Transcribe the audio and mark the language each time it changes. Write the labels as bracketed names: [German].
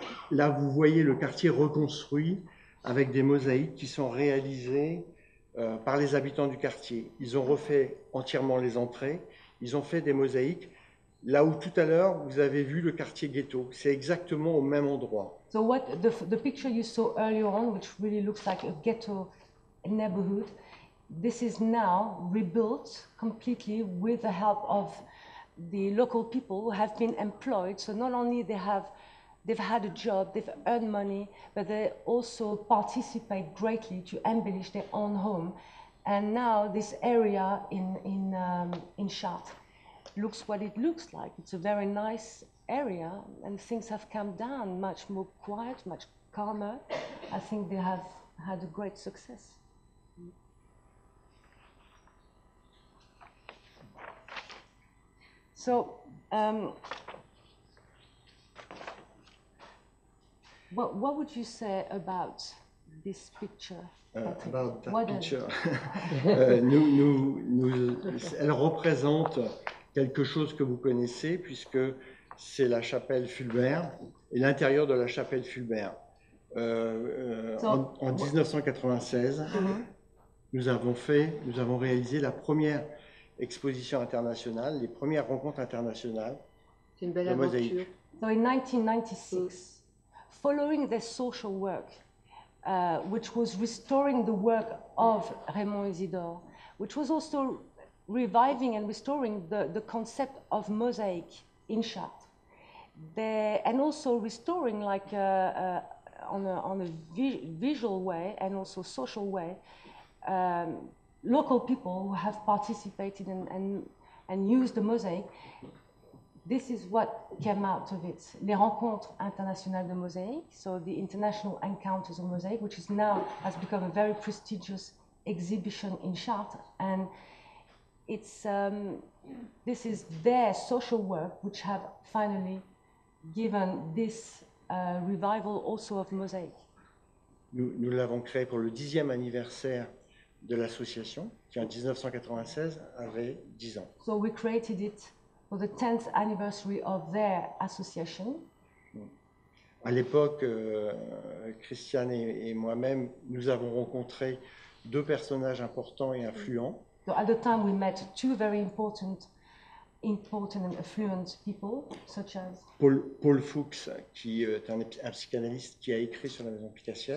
[French] là, vous voyez le quartier reconstruit avec des mosaïques qui sont réalisées par les habitants du quartier. Ils ont refait entièrement les entrées. Ils ont fait des mosaïques là où tout à l'heure vous avez vu le quartier ghetto. C'est exactement au même endroit. [English] So what the picture you saw earlier on, which really looks like a ghetto neighborhood, this is now rebuilt completely with the help of the local people who have been employed. So not only they have They've had a job, they've earned money, but they also participate greatly to embellish their own home. And now this area in Chartres looks what it looks like. It's a very nice area, and things have come down much more quiet, much calmer. I think they have had a great success. So, what would you say about this picture? About that what picture. [French] nous, elle représente quelque chose que vous connaissez, puisque c'est la chapelle Fulbert et l'intérieur de la chapelle Fulbert. En 1996, nous avons réalisé la première exposition internationale, les premières rencontres internationales. C'est une belle aventure. [English] So in 1996, following the social work, which was restoring the work of Raymond Isidore, which was also reviving and restoring the concept of mosaic in Chartres, and also restoring like on a visual way and also social way, local people who have participated and used the mosaic. This is what came out of it. [French] Les rencontres internationales de mosaïque, [English] so the international encounters of mosaic, which is now has become a very prestigious exhibition in Chartres, and it's this is their social work which have finally given this revival also of mosaic. [French] Nous l'avons créé pour le 10e anniversaire de l'association qui en 1996 avait 10 ans. [English] So we created it for the 10th anniversary of their association. [French] À l'époque, Christiane et moi-même, nous avons rencontré deux personnages importants et influents. [English] So at the time, we met two very important and affluent people, such as [French] Paul Fuchs, qui est un psychanalyste qui a écrit sur la maison Picassière.